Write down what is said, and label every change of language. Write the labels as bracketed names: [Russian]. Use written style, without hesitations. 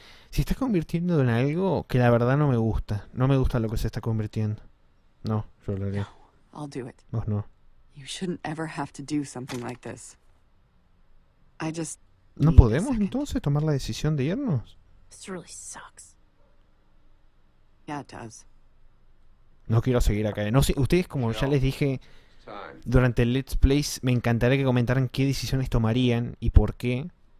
[Spanish] Se está convirtiendo en algo que la verdad no me gusta. No me gusta lo que se está convirtiendo. No, yo lo haría. No, [English] I'll do it. [Spanish] Vos no. [English] You shouldn't ever have to do something like this. I just... [Spanish] ¿No podemos entonces tomar la decisión de irnos? [English] This really sucks. Yeah, it does. [Spanish] No quiero seguir acá. No sé, ustedes, como ya les dije durante el Let's Plays, me encantaría que comentaran qué decisiones tomarían y por qué.